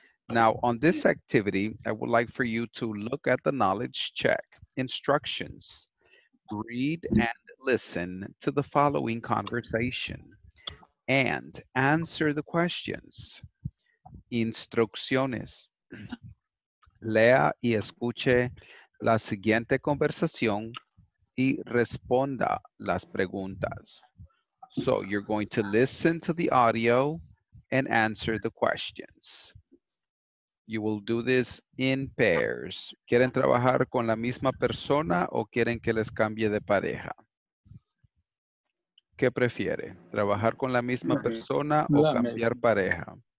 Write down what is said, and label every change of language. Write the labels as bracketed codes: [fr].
[en] Now, on this activity, I would like for you to look at the knowledge check instructions. Read and listen to the following conversation and answer the questions. [es] Instrucciones. Lea y escuche la siguiente conversación y responda las preguntas. [en] So you're going to listen to the audio and answer the questions. You will do this in pairs. [es] ¿Quieren trabajar con la misma persona o quieren que les cambie de pareja? ¿Qué prefiere? ¿Trabajar con la misma persona o cambiar pareja?